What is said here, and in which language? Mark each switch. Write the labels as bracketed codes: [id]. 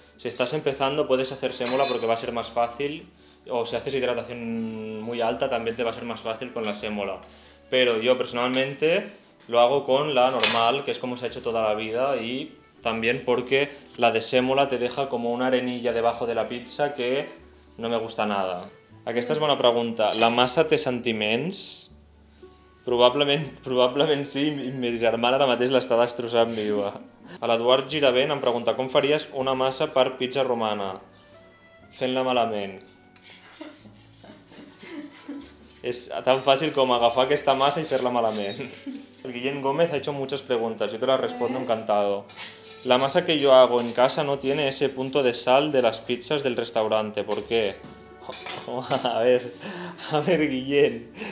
[es] Si estás empezando, puedes hacer sémola porque va a ser más fácil. O si haces hidratación muy alta, también te va a ser más fácil con la sémola. Pero yo, personalmente, lo hago con la normal, que es como se ha hecho toda la vida. Y también porque la de sémola te deja como una arenilla debajo de la pizza que... No me gusta nada. [ca] Aquesta és bona pregunta. La massa té sentiments? Probablement sí, i mi germana ara mateix l'està destrossant viva. L'Eduard Giravent em pregunta com faries una massa per pizza romana? Fent-la malament. És tan fàcil com agafar aquesta massa i fer-la malament. [es] El Guillem Gómez ha hecho muchas preguntas, yo te las respondo encantado. La masa que yo hago en casa no tiene ese punto de sal de las pizzas del restaurante. ¿Por qué? A ver, Guillén.